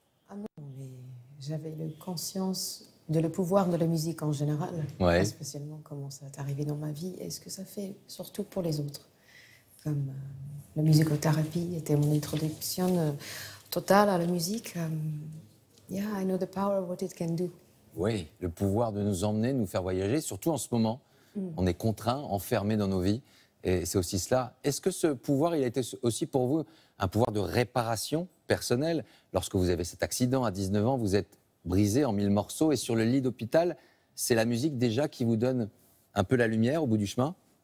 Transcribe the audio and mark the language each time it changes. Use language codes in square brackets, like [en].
[fr] Ah non, mais j'avais le conscience de le pouvoir de la musique en général, ouais. Spécialement comment ça est arrivé dans ma vie et ce que ça fait surtout pour les autres. Comme la musicothérapie était mon introduction totale à la musique. [en] Yeah, I know the power of what it can do. [fr] Oui, le pouvoir de nous emmener, nous faire voyager, surtout en ce moment. Mm. On est contraints, enfermés dans nos vies et c'est aussi cela. Est-ce que ce pouvoir, il a été aussi pour vous un pouvoir de réparation personnelle? Lorsque vous avez cet accident à 19 ans, vous êtes brisé en 1000 morceaux et sur le lit d'hôpital, c'est la musique déjà qui vous donne un peu la lumière au bout du chemin?